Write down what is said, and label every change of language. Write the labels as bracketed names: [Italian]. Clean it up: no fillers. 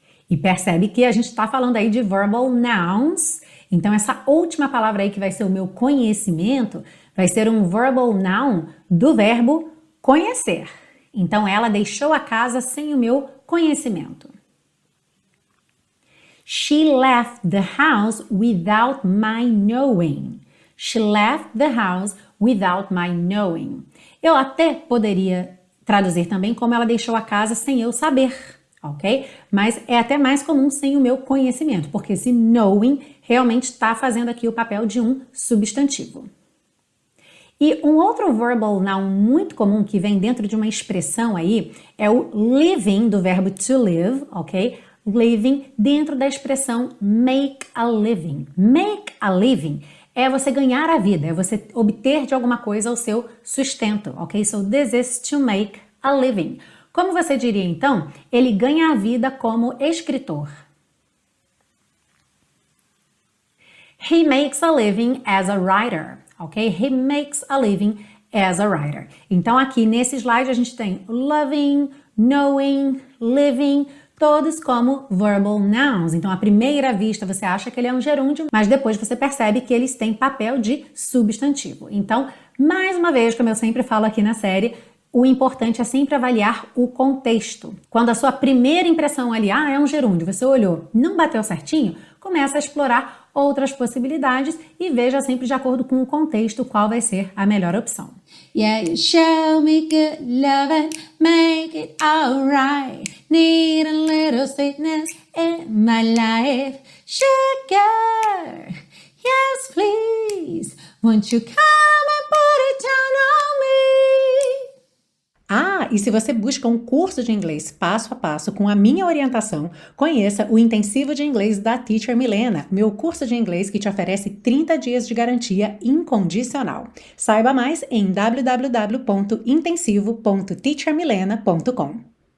[Portuguese] E percebe que a gente está falando aí de verbal nouns. Então essa última palavra aí que vai ser o meu conhecimento vai ser um verbal noun do verbo conhecer. Então ela deixou a casa sem o meu conhecimento. [English] She left the house without my knowing. She left the house without my knowing. [Portuguese] Eu até poderia traduzir também como ela deixou a casa sem eu saber, ok? Mas é até mais comum sem o meu conhecimento, porque esse knowing realmente está fazendo aqui o papel de um substantivo. E um outro verbal noun muito comum que vem dentro de uma expressão aí é o living do verbo to live, ok? Living dentro da expressão [English] make a living. Make a living [Portuguese] é você ganhar a vida, é você obter de alguma coisa o seu sustento, ok? [English] So this is to make a living. [Portuguese] Como você diria então? Ele ganha a vida como escritor. [English] He makes a living as a writer, ok? He makes a living as a writer. [Portuguese] Então aqui nesse slide a gente tem loving, knowing, living, todos como verbal nouns. Então, à primeira vista, você acha que ele é um gerúndio, mas depois você percebe que eles têm papel de substantivo. Então, mais uma vez, como eu sempre falo aqui na série, o importante é sempre avaliar o contexto. Quando a sua primeira impressão ali, é um gerúndio, você olhou, não bateu certinho, começa a explorar outras possibilidades e veja sempre de acordo com o contexto qual vai ser a melhor opção. [English] Yeah, show me good loving, make it alright. Need a little sweetness in my life. Sugar, yes please, won't you come and put it down on me? [Portuguese] Ah, e se você busca um curso de inglês passo a passo com a minha orientação, conheça o Intensivo de Inglês da Teacher Milena, meu curso de inglês que te oferece 30 dias de garantia incondicional. Saiba mais em www.intensivo.teachermilena.com.